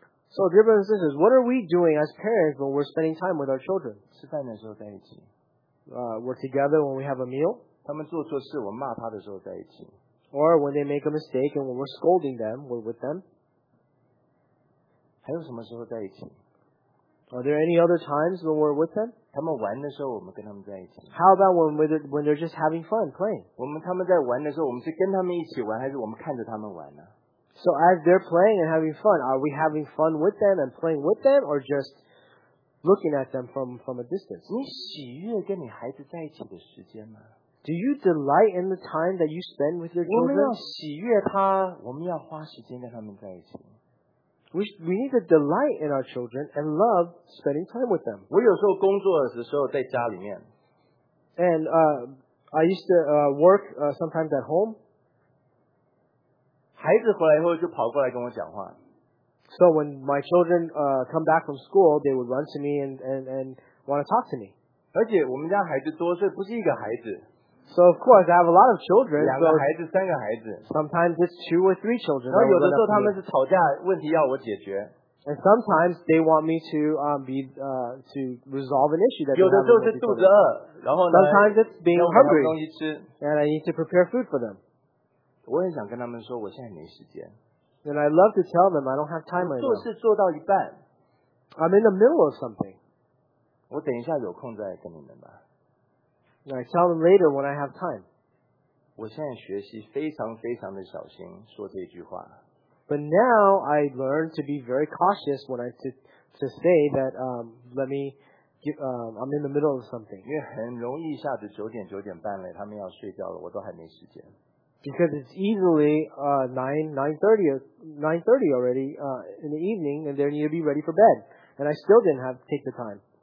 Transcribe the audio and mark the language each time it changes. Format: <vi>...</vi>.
<en>So, dear brothers and sisters, what are we doing as parents when we're spending time with our children?</en> <zh>吃饭的时候在一起。</zh> <en>We're together when we have a meal.</en> <zh>他们做错事，我骂他的时候在一起。</zh> <en>Or when they make a mistake and when we're scolding them, we're with them.</en> <zh>还有什么时候在一起?</zh> <en>Are there any other times when we're with them?</en> <zh>他们玩的时候我们跟他们在一起。</zh> <en>How about when they're just having fun, playing?</en> <zh>他们在玩的时候我们是跟他们一起玩还是我们看着他们玩呢?</zh> <en>So as they're playing and having fun, are we having fun with them and playing with them or just looking at them from a distance?</en> <zh>你喜悦跟你孩子在一起的时间吗?</zh> <en>Do you delight in the time that you spend with your children?</en> <zh>我们要喜悦他，我们要花时间跟他们在一起。</zh> <en>We need to delight in our children and love spending time with them.</en> <zh>我有时候工作的时候在家里面。</zh> <en>And I used to work sometimes at home.</en> <zh>孩子回来以后就跑过来跟我讲话。</zh> <en>So when my children come back from school, they would run to me and want to talk to me.</en> <zh>而且我们家孩子多，所以不是一个孩子。</zh> <en>So of course, I have a lot of children.</en> <zh>两个孩子，三个孩子。</zh> <en>Sometimes it's two or three children.</en> <zh>然后有的时候他们是吵架，问题要我解决。</zh> <en>And sometimes they want me to to resolve an issue that.</en> <zh>有的时候是肚子饿，然后呢。</zh> <en>Sometimes it's being hungry.</en> <zh>让我拿东西吃。</zh> <en>And I need to prepare food for them.</en> <zh>我也想跟他们说，我现在没时间。</zh> <en>And I love to tell them I don't have time right now.</en> <zh>做事做到一半。</zh> <en>I'm in the middle of something.</en> <zh>我等一下有空再跟你们吧。</zh> <en>And I tell them later when I have time.</en> <zh>我现在学习非常非常的小心说这句话。</zh> <en>But now I learn to be very cautious when I to say that I'm in the middle of something.</en> <zh>因为很容易一下子九点半了，他们要睡觉了，我都还没时间。</zh> <en>Because it's easily 9:30 already in the evening, and they need to be ready for bed, and I still didn't have take the time.</en>